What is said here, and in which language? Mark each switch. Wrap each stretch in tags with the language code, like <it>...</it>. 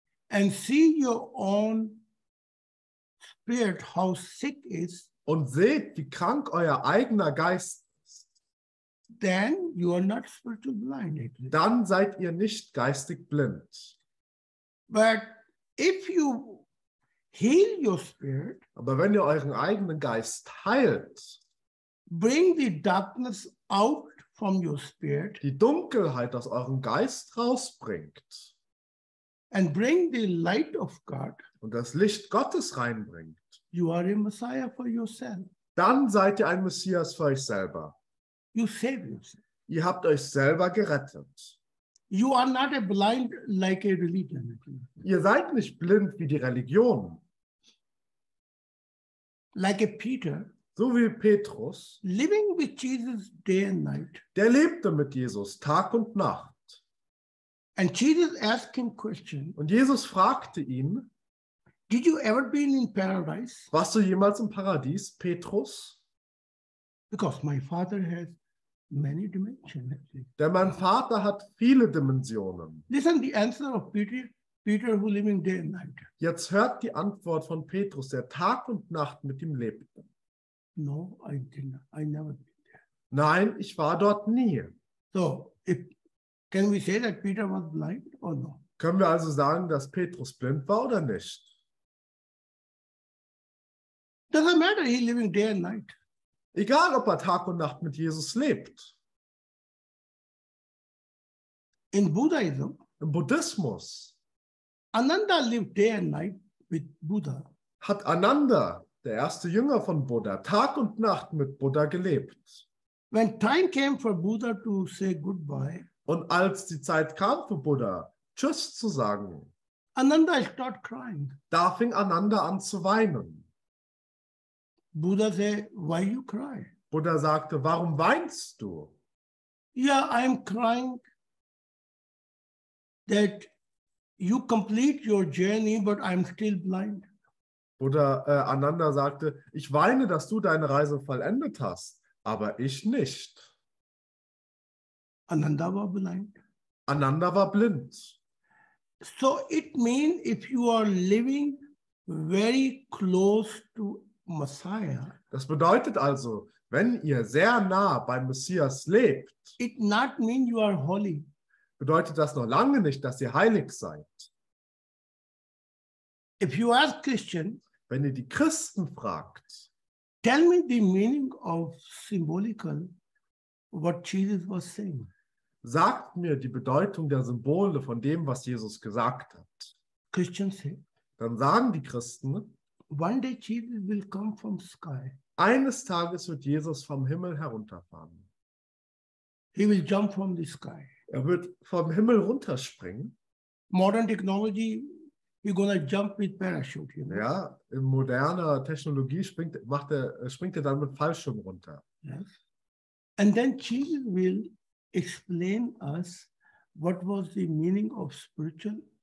<en>and see your own spirit, how sick is.</en> <de>Und seht, wie krank euer eigener Geist ist.</de> <en>Then you are not spiritually blind, exactly.</en> <de>Dann seid ihr nicht geistig blind.</de> <en>But if you heal your spirit,</en> <de>aber wenn ihr euren eigenen Geist heilt,</de> <en>bring the darkness out from your spirit,</en> <de>die Dunkelheit aus eurem Geist rausbringt,</de> <en>and bring the light of God,</en> <de>und das Licht Gottes reinbringt,</de> <en>you are a Messiah for yourself.</en> <de>Dann seid ihr ein Messias für euch selber.</de> <en>You save yourself.</en> <de>Ihr habt euch selber gerettet.</de> <en>You are not a blind like a religion.</en> <de>Ihr seid nicht blind wie die Religion.</de> <en>Like a Peter.</en> <de>So wie Petrus.</de> <en>Living with Jesus day and night.</en> <de>Der lebte mit Jesus Tag und Nacht.</de> <en>And Jesus asked him questions.</en> <de>Und Jesus fragte ihn,</de> <en>did you ever been in paradise?</en> <de>Warst du jemals im Paradies, Petrus?</de> <en>Because my father has many dimensions.</en> <de>Denn mein Vater hat viele Dimensionen.</de> <en>Listen the answer of Peter who living day and night.</en> <de>Jetzt hört die Antwort von Petrus, der Tag und Nacht mit ihm lebte.</de> <en>No, I didn't. I never been there.</en> <de>Nein, ich war dort nie.</de> <en>So, can we say that Peter was blind or no?</en> <de>Können wir also sagen, dass Petrus blind war oder nicht?</de> <en>Doesn't matter, he living day and night.</en> <de>Egal, ob er Tag und Nacht mit Jesus lebt.</de> <en>In Buddhism,</en> <de>im Buddhismus,</de> <en>Ananda lived day and night with Buddha.</en> <de>Hat Ananda, der erste Jünger von Buddha, Tag und Nacht mit Buddha gelebt.</de> <en>When time came for Buddha to say goodbye,</en> <de>und als die Zeit kam für Buddha, Tschüss zu sagen,</de> <en>Ananda start crying.</en> <de>Da fing Ananda an zu weinen.</de> <en>Buddha said, why you cry?</en> <de>Buddha sagte, warum weinst du?</de> <en>Yeah, I'm crying that you complete your journey, but I'm still blind.</en> <de>Ananda sagte, ich weine, dass du deine Reise vollendet hast, aber ich nicht. Ananda war blind. Ananda war blind.</de> <en>So it means if you are living very close to Messiah.</en> <de>Das bedeutet also, wenn ihr sehr nah beim Messias lebt,</de> <en>it not mean you are holy.</en> <de>Bedeutet das noch lange nicht, dass ihr heilig seid.</de> <en>If you ask Christian,</en> <de>wenn ihr die Christen fragt,</de> <en>tell me the meaning of symbolical what Jesus was saying.</en> <de>Sagt mir die Bedeutung der Symbole von dem, was Jesus gesagt hat.</de> <en>Christians say,</en> <de>dann sagen die Christen,</de> <en>one day Jesus will come from sky.</en> <de>Eines Tages wird Jesus vom Himmel herunterfahren.</de> <en>He will jump from the sky.</en> <de>Er wird vom Himmel runterspringen.</de> <en>Modern technology, you're gonna jump with parachute. You know?</en> <de>Ja, in moderner Technologie springt er dann mit Fallschirm runter.</de> <en>Yes. And then Jesus will explain us what was the meaning of spiritual.</en>